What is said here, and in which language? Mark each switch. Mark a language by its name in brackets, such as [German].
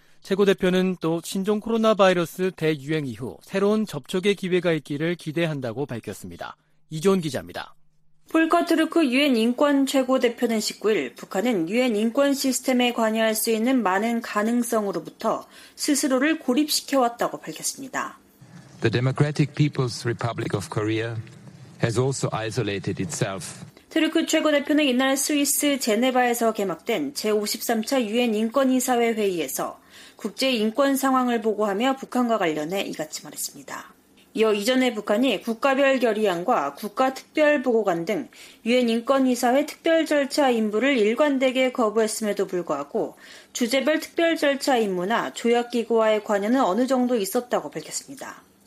[Korean] 최고 대표는 또 신종 코로나 바이러스 대유행 이후 새로운 접촉의 기회가 있기를 기대한다고 밝혔습니다. 이조은 기자입니다. 폴커 트루크 유엔 인권 최고 대표는 19일 북한은 유엔 인권 시스템에 관여할 수 있는 많은 가능성으로부터 스스로를 고립시켜 왔다고 밝혔습니다. [English] The Democratic People's Republic of Korea has also isolated itself. [Korean] 트루크 최고 대표는 이날 스위스 제네바에서 개막된 제53차 유엔 인권이사회 회의에서 국제 인권 상황을 보고하며 북한과 관련해 이같이 말했습니다. 이어 이전에 북한이 국가별 결의안과 국가특별보고관 등 유엔인권이사회 특별절차 임무를 일관되게 거부했음에도 불구하고 주제별 특별절차 임무나 조약기구와의 관여는 어느 정도 있었다고 밝혔습니다.